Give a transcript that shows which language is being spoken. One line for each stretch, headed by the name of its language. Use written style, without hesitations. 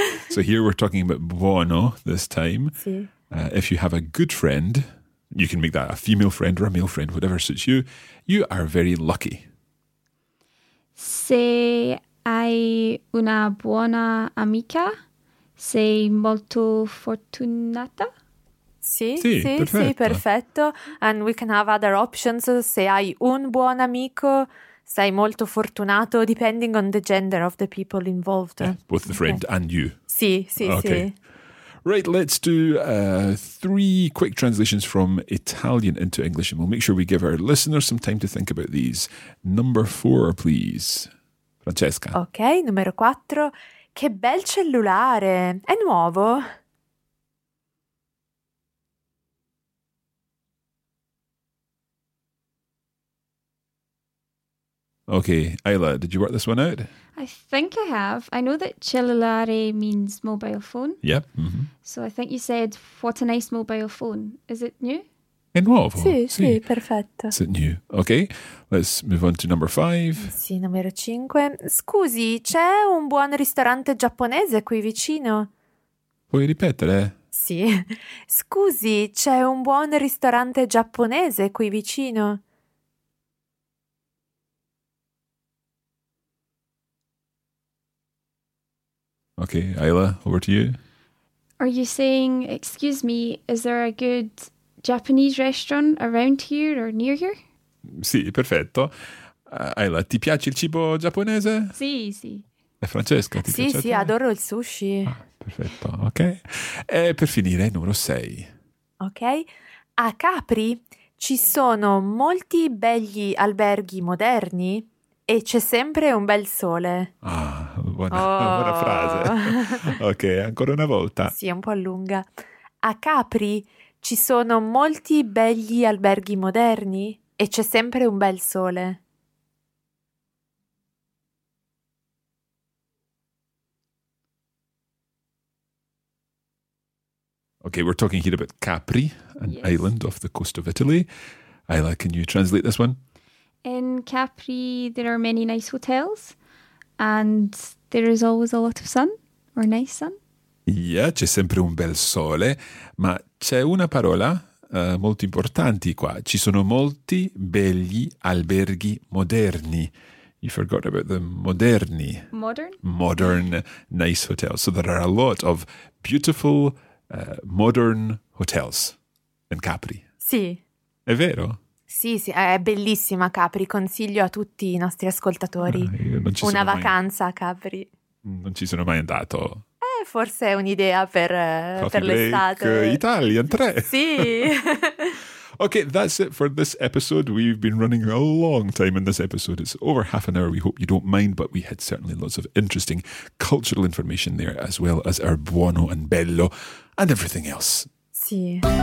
English: So here we're talking about buono this time.
Italian: Sì.
English: If you have a good friend, you can make that a female friend or a male friend, whatever suits you. You are very lucky.
Italian: Se hai una buona amica, sei molto fortunata. Sì, perfetto.
English: And we can have other options.
Italian: Se hai un buon amico, sei molto fortunato,
English: depending on the gender of the people involved. Yeah, both the friend and you.
Italian: Sì.
English: Right, let's do three quick translations from Italian into English, and we'll make sure we give our listeners some time to think about these. Number four, please. Francesca. Ok,
Italian: numero quattro. Che bel cellulare! È nuovo?
English: Okay, Ayla, did you work this one out? I think I have. I know that cellulare means mobile phone. Yep. Mm-hmm. So I think you said, what a nice mobile phone. Is it new?
Italian: È nuovo. Sì, perfetto.
English: Is it new? Okay, let's move on to number five.
Italian: Sì, numero cinque. Scusi, c'è un buon ristorante giapponese qui vicino? Puoi ripetere? Sì. Scusi, c'è un buon ristorante giapponese qui vicino?
English: Okay, Ayla, over to you. Are you saying, excuse me, is there a good Japanese restaurant around here or near here?
Italian: Sì, perfetto. Ayla, ti piace il cibo giapponese? Sì. E Francesca, ti piace? Sì, adoro il sushi. Ah, perfetto, ok. E per finire, numero 6. Ok. A Capri ci sono molti belli alberghi moderni e c'è sempre un bel sole. Ah. Buona frase. Ok, ancora una volta. Sì, un po' lunga. A Capri ci sono molti belli alberghi moderni e c'è sempre un bel sole.
English: Ok, we're talking here about Capri, an island off the coast of Italy. Ayla, can you translate this one? In Capri there are many nice hotels. And there is always a lot of sun, or nice sun.
Italian: Yeah, c'è sempre un bel sole, ma c'è una parola molto importante qua. Ci sono molti belli alberghi moderni.
English: You forgot about the moderni. Modern nice hotels. So there are a lot of beautiful modern hotels in Capri.
Italian: Sì. È vero? Sì, è bellissima Capri, consiglio a tutti i nostri ascoltatori una vacanza a Capri. Non ci sono mai andato. Forse è un'idea per l'estate.
English: Italian 3.
Italian: Sì.
English: Okay, that's it for this episode. We've been running a long time in this episode. It's over half an hour. We hope you don't mind, but we had certainly lots of interesting cultural information there, as well as our buono and bello and everything else.
Italian: Sì.